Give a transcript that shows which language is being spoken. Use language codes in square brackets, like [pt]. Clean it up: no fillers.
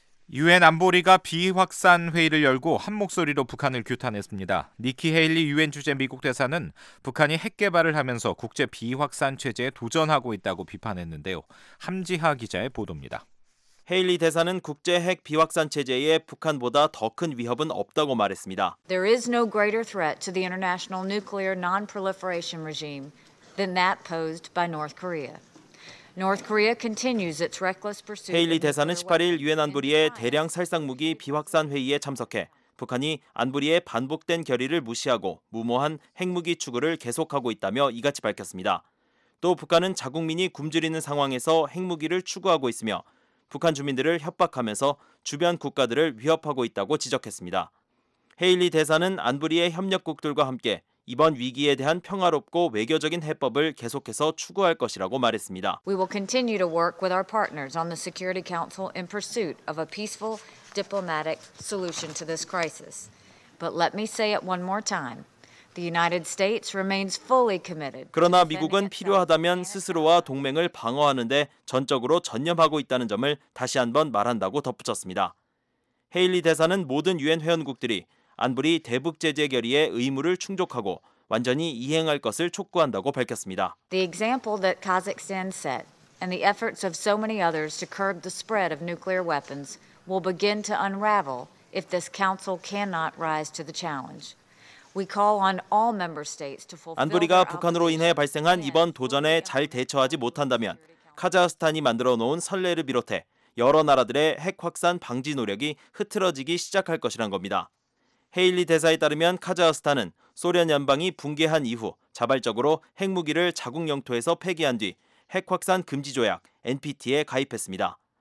[ko] 유엔 안보리가 비확산 회의를 열고 한 목소리로 북한을 규탄했습니다. 니키 헤일리 유엔 주재 미국 대사는 북한이 핵 개발을 하면서 국제 비확산 체제에 도전하고 있다고 비판했는데요. 함지하 기자의 보도입니다. 헤일리 대사는 국제 핵 비확산 체제에 북한보다 더 큰 위협은 없다고 말했습니다. [en] There is no greater threat to the international nuclear non-proliferation regime than that posed by North Korea. North Korea continues its reckless pursuit. [ko] 헤일리 대사는 18일 유엔 안보리의 대량 살상무기 비확산 회의에 참석해 북한이 안보리의 반복된 결의를 무시하고 무모한 핵무기 추구를 계속하고 있다며 이같이 밝혔습니다. 또 북한은 자국민이 굶주리는 상황에서 핵무기를 추구하고 있으며 북한 주민들을 협박하면서 주변 국가들을 위협하고 있다고 지적했습니다. 헤일리 대사는 안보리의 협력국들과 함께 이번 위기에 대한 평화롭고 외교적인 해법을 계속해서 추구할 것이라고 말했습니다. [en] We will continue to work with our partners on the Security Council in pursuit of a peaceful diplomatic solution to this crisis. But let me say it one more time. The United States remains fully committed. [ko] 그러나 미국은 필요하다면 스스로와 동맹을 방어하는 데 전적으로 전념하고 있다는 점을 다시 한번 말한다고 덧붙였습니다. 헤일리 대사는 모든 유엔 회원국들이 안보리 대북 제재 결의의 의무를 충족하고 완전히 이행할 것을 촉구한다고 밝혔습니다. [en] The example that Kazakhstan set and the efforts of so many others to curb the spread of nuclear weapons will begin to unravel if this council cannot rise to the challenge. We call on all member states to fulfill. [ko] 안보리가 북한으로 인해 발생한 이번 도전에 잘 대처하지 못한다면 카자흐스탄이 만들어 놓은 선례를 비롯해 여러 나라들의 핵 확산 방지 노력이 흐트러지기 시작할 것이란 겁니다. 헤일리 대사에 따르면 카자흐스탄은 소련 연방이 붕괴한 이후 자발적으로 핵무기를 자국 영토에서 폐기한 뒤 핵 확산 금지 조약 NPT에 가입했습니다.